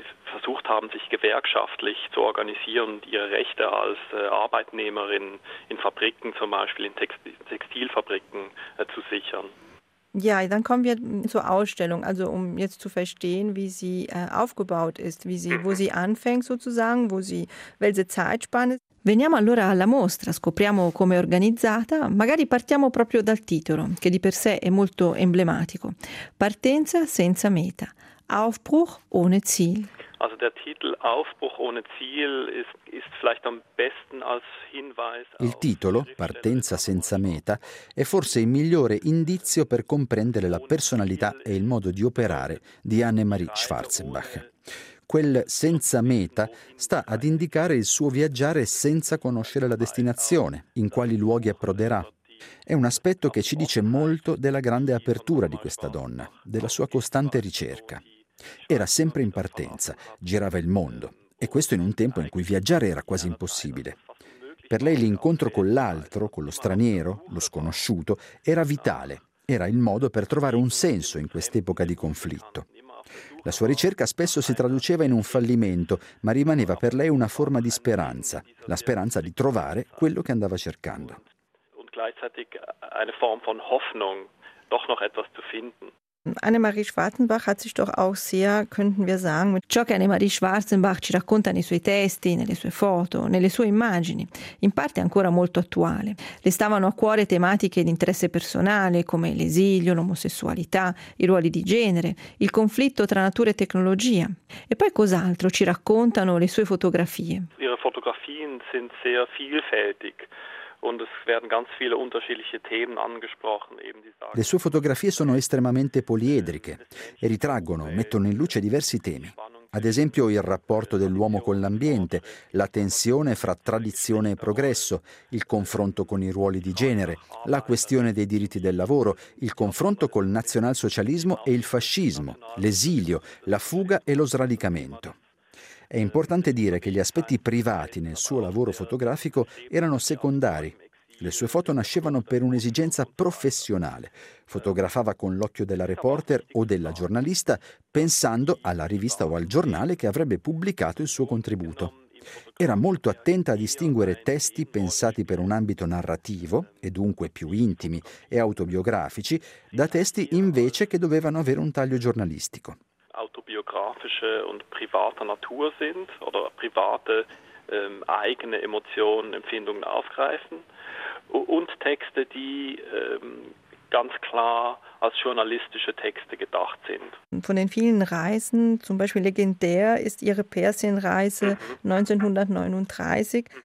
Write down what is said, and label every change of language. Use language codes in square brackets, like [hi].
[de] Versucht haben, sich gewerkschaftlich zu organisieren und ihre Rechte als Arbeitnehmerin in Fabriken, zum Beispiel in Textilfabriken, zu sichern. Ja, dann kommen wir zur Ausstellung. Also um jetzt zu verstehen, wie sie aufgebaut ist, wo sie anfängt sozusagen, welche Zeitspanne. [it] Veniamo allora alla mostra, scopriamo come è organizzata, magari partiamo proprio dal titolo, che di per sé è molto emblematico. Partenza senza meta. [de] Aufbruch ohne Ziel. Also der Titel Aufbruch ohne Ziel ist vielleicht am besten als Hinweis. [it] Il titolo Partenza senza meta è forse il migliore indizio per comprendere la personalità e il modo di operare di Annemarie Schwarzenbach. Quel senza meta sta ad indicare il suo viaggiare senza conoscere la destinazione, in quali luoghi approderà. È un aspetto che ci dice molto della grande apertura di questa donna, della sua costante ricerca. Era sempre in partenza, girava il mondo, e questo in un tempo in cui viaggiare era quasi impossibile. Per lei l'incontro con l'altro, con lo straniero, lo sconosciuto, era vitale, era il modo per trovare un senso in quest'epoca di conflitto. La sua ricerca spesso si traduceva in un fallimento, ma rimaneva per lei una forma di speranza, la speranza di trovare quello che andava cercando. [de] Gleichzeitig eine Form von Hoffnung, doch noch etwas zu finden. Annemarie Schwarzenbach hat sich doch auch sehr, könnten wir sagen, mit [it] ciò che Annemarie Schwarzenbach ci racconta nei suoi testi, nelle sue foto, nelle sue immagini, in parte ancora molto attuale. Le stavano a cuore tematiche di interesse personale come l'esilio, l'omosessualità, i ruoli di genere, il conflitto tra natura e tecnologia. E poi cos'altro ci raccontano le sue fotografie? [de] Ihre Fotografien sind sehr vielfältig. Und es werden ganz viele unterschiedliche Themen angesprochen. [it] Le sue fotografie sono estremamente poliedriche e ritraggono, mettono in luce diversi temi. Ad esempio il rapporto dell'uomo con l'ambiente, la tensione fra tradizione e progresso, il confronto con i ruoli di genere, la questione dei diritti del lavoro, il confronto col nazionalsocialismo e il fascismo, l'esilio, la fuga e lo sradicamento. È importante dire che gli aspetti privati nel suo lavoro fotografico erano secondari. Le sue foto nascevano per un'esigenza professionale. Fotografava con l'occhio della reporter o della giornalista, pensando alla rivista o al giornale che avrebbe pubblicato il suo contributo. Era molto attenta a distinguere testi pensati per un ambito narrativo, e dunque più intimi e autobiografici, da testi invece che dovevano avere un taglio giornalistico. [de] Autobiografische und privater Natur sind oder private eigene Emotionen, Empfindungen aufgreifen und Texte, die ganz klar als journalistische Texte gedacht sind. Von den vielen Reisen, zum Beispiel legendär ist ihre Persienreise 1939.